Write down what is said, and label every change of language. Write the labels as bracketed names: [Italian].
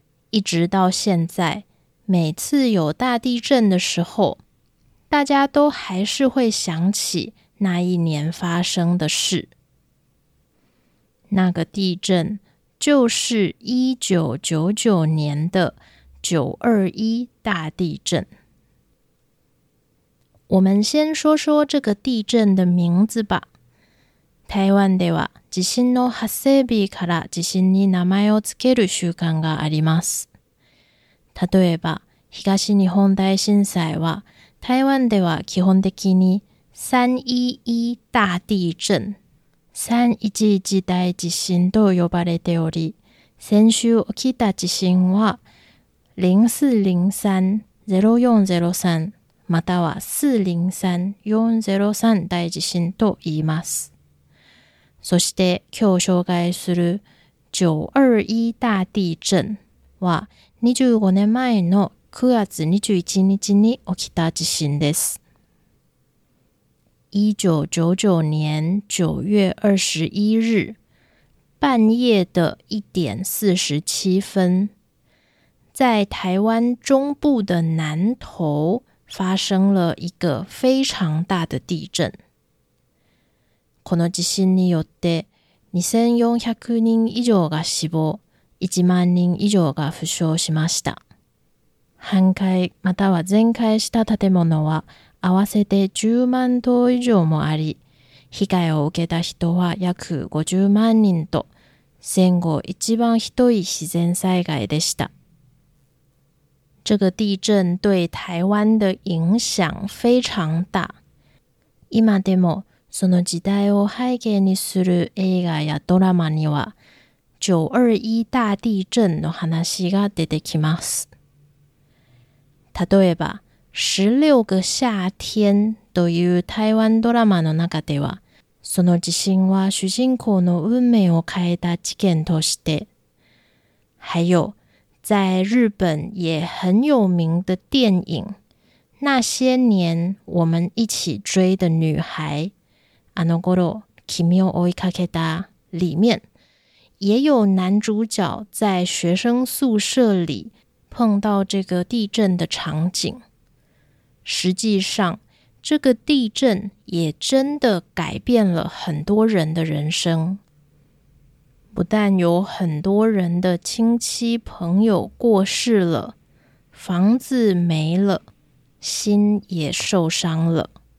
[Chinese] 一直到现在，每次有大地震的时候，大家都还是会想起那一年发生的事。那个地震就是1999年的921大地震。我们先说说这个地震的名字吧。 [Japanese] 台湾では地震の発生日から地震に名前をつける習慣があります。例えば、東日本大震災は台湾では基本的に311大地震、311大地震と呼ばれており、先週起きた地震は0403、0403、または403、403大地震と言います。そして今日紹介する921大地震は25年前の9月21日に起きた地震です。 [Chinese] 1999年9月21日半夜的1点47分，在台湾中部的南投发生了一个非常大的地震。 [Japanese] この地震によって2400人以上が死亡、1万人以上が負傷しました。半壊または全壊した建物は合わせて10万棟以上もあり、被害を受けた人は約50万人と、戦後一番ひどい自然災害でした。 [Chinese] 这个地震对台湾的影响非常大。 [Japanese] 今でもその時代を背景にする映画やドラマには921大地震の話が出てきます。例えば16个夏天という台湾ドラマの中では、その地震は主人公の運命を変えた事件として、 [Chinese] 还有在日本也很有名的电影《那些年我们一起追的女孩》，あの頃君を追いかけた里面，也有男主角在学生宿舍里碰到这个地震的场景。实际上，这个地震也真的改变了很多人的人生。不但有很多人的亲戚朋友过世了，房子没了，心也受伤了。